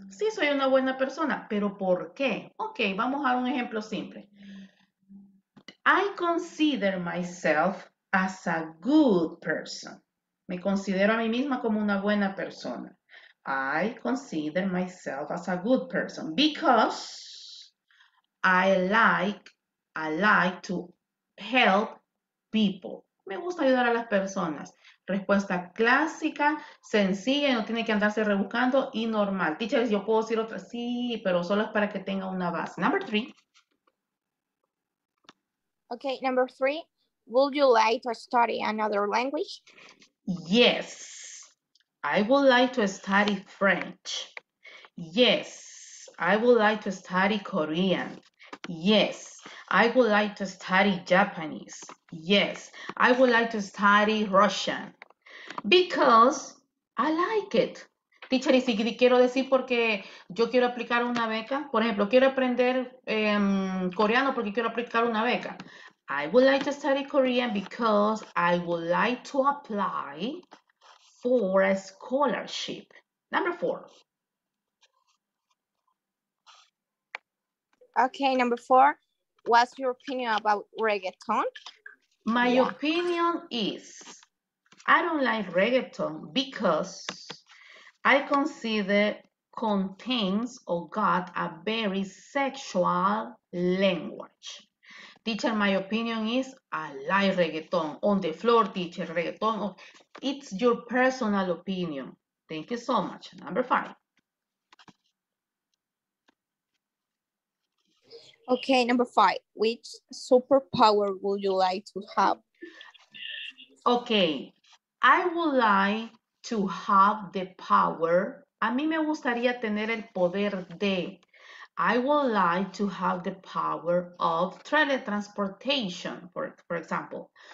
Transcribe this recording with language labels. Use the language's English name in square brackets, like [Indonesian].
[Spanish] Sí, soy una buena persona, pero ¿por qué? Ok, vamos a un ejemplo simple. [English] I consider myself as a good person. [Spanish] Me considero a mí misma como una buena persona. [English] I consider myself as a good person because I like to help people. [Spanish] Me gusta ayudar a las personas. Respuesta clásica, sencilla, no tiene que andarse rebuscando y normal. Teachers, yo puedo decir otra. Sí, pero solo es para que tenga una base. [English] Number three. Okay, number three. Would you like to study another language? Yes. I would like to study French. Yes. I would like to study Korean. Yes. I would like to study Japanese. Yes, I would like to study Russian because I like it. [Spanish] Teacher, y si quiero decir porque yo quiero aplicar una beca, por ejemplo, quiero aprender coreano porque quiero aplicar una beca. [English] I would like to study Korean because I would like to apply for a scholarship. Number four. Okay, number four. What's your opinion about reggaeton? My yeah. opinion is, I don't like reggaeton because I consider contains or got a very sexual language. Teacher, my opinion is, I like reggaeton. On the floor, teacher, reggaeton. It's your personal opinion. Thank you so much. Number five. Okay, number five, which superpower would you like to have? Okay, I would like to have the power. [Spanish] A mí me gustaría tener el poder de. [English] I would like to have the power of teletransportation, for example.